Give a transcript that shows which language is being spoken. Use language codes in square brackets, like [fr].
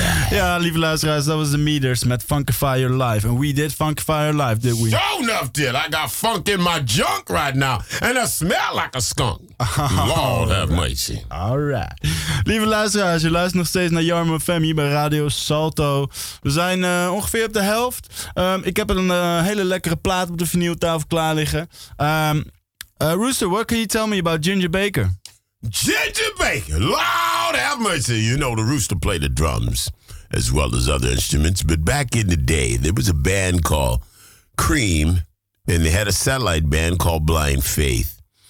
[nl] Ja, lieve luisteraars, dat was de Meters met Funkify Your Life. [en] And we did Funkify Your Life, did we? Sure enough did. I got funk in my junk right now. And I smell like a skunk. Lord have mercy. All right. [nl] Lieve luisteraars, je luistert nog steeds naar Jarmo FM hier bij Radio Salto. We zijn ongeveer op de helft. Ik heb een hele lekkere plaat op de vinyltafel klaar liggen. [en] Rooster, what can you tell me about Ginger Baker? Ginger Baker, Lord have mercy. You know, the Rooster played the drums as well as other instruments. But back in the day, there was a band called Cream, and they had a satellite band called Blind Faith.